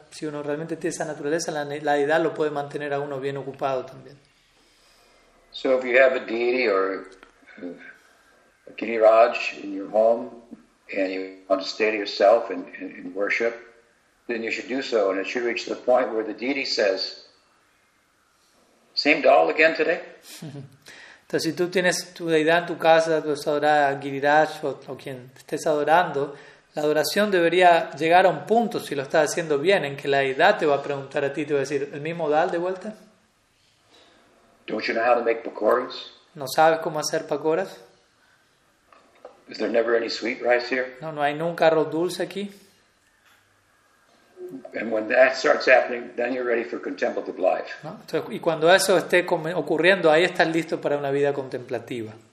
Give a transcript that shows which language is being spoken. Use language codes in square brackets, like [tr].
[es] Si uno realmente tiene esa naturaleza, la deidad lo puede mantener a uno bien ocupado también. [en] So if you have a deity or a giriraj in your home and you want to stay to yourself and worship, then you should do so, and it should reach the point where the deity says, same doll again today. [es] Entonces, si tú tienes tu deidad en tu casa, tú estás adorando a Giriraj o quien estés adorando, la adoración debería llegar a un punto, si lo estás haciendo bien, en que la deidad te va a preguntar a ti, te va a decir, ¿el mismo dal de vuelta? [en] Don't you know how to make pakoras? [es] ¿No sabes cómo hacer pakoras? [en] Is there never any sweet rice here? [es] No, no hay nunca arroz dulce aquí. [en] And when that starts happening, then you're ready for contemplative life. [es] ¿No? Entonces, y cuando eso esté ocurriendo, ahí estás listo para una vida contemplativa.